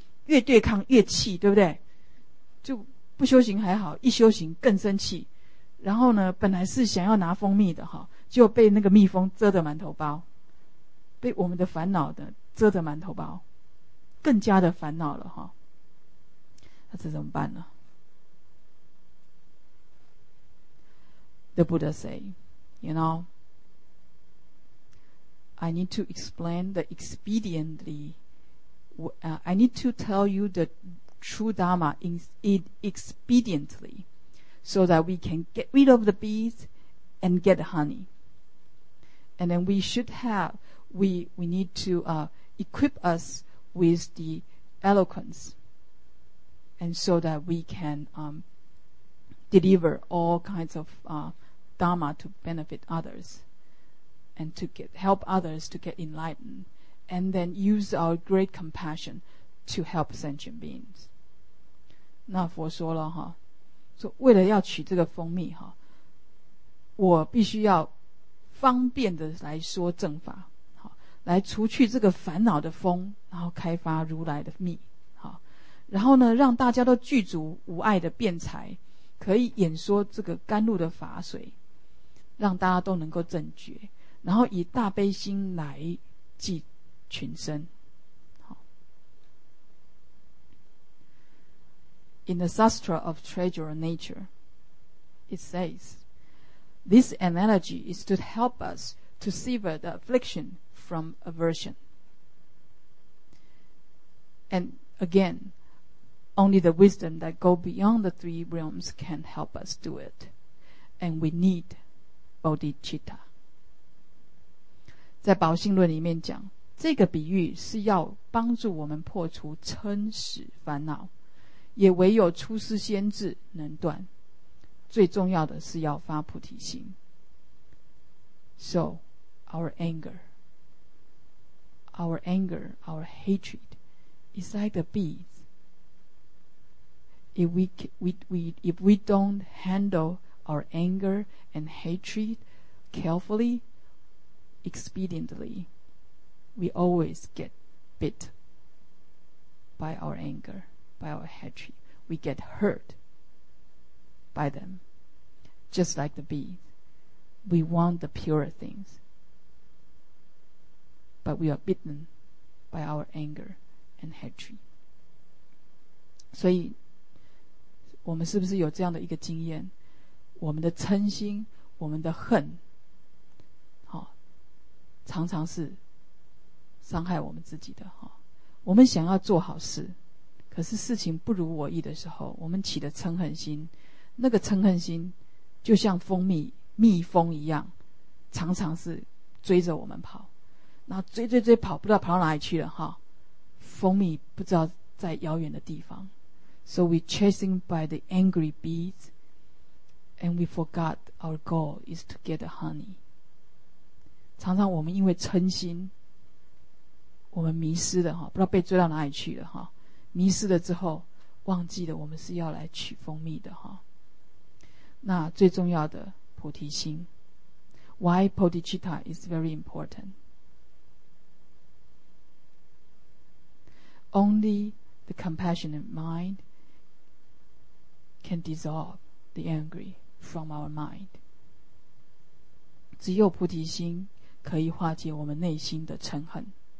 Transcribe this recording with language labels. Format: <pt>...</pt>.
<zh>越对抗越气，对不对？就不修行还好，一修行更生气。然后呢，本来是想要拿蜂蜜的，就被那个蜜蜂蛰得满头包，被我们的烦恼的蛰得满头包，更加的烦恼了，那这怎么办呢？</zh> <en>The Buddha say, you know, I need to explain the expediently I need to tell you the true Dharma in expediently so that we can get rid of the bees and get honey. And then we should have, we need to equip us with the eloquence, and so that we can deliver all kinds of Dharma to benefit others and to help others to get enlightened, and then use our great compassion to help sentient beings.</en> <zh>那佛说了哈，说为了要取这个蜂蜜哈，我必须要方便的来说正法，好，来除去这个烦恼的蜂，然后开发如来的蜜，好，然后呢，让大家都具足无碍的辩才，可以演说这个甘露的法水，让大家都能够正觉，然后以大悲心来济群生。</zh> <en>In the Sastra of Treasure Nature, it says, this analogy is to help us to sever the affliction from aversion. And again, only the wisdom that go beyond the three realms can help us do it. And we need bodhicitta.</en> <zh>在宝性论里面讲，这个比喻是要帮助我们破除嗔痴烦恼，也唯有出师先至能断，最重要的是要发菩提心。</zh> <en>So our anger, our hatred is like the bees. If we don't handle our anger and hatred carefully, expediently, we always get bit by our angerby our hatred. We get hurt by them, just like the bees. We want the pure things, but we are bitten by our anger and hatred.</en> <zh>所以我们是不是有这样的一个经验，我们的嗔心，我们的恨，常常是伤害我们自己的。我们想要做好事，可是事情不如我意的时候，我们起的嗔恨心，那个嗔恨心就像蜂蜜蜜蜂一样，常常是追着我们跑，然后追追追跑，不知道跑到哪里去了哈。蜂蜜不知道在遥远的地方。</zh> <en>So we chasing by the angry bees, and we forgot our goal is to get the honey.</en> <zh>常常我们因为嗔心，我们迷失了哈，不知道被追到哪里去了哈。迷失了之后，忘记了我们是要来取蜂蜜的哈。那最重要的菩提心</zh> <en>，Why bodhicitta is very important? Only the compassionate mind can dissolve the angry from our mind.</en> <zh>只有菩提心可以化解我们内心的嗔恨。</zh>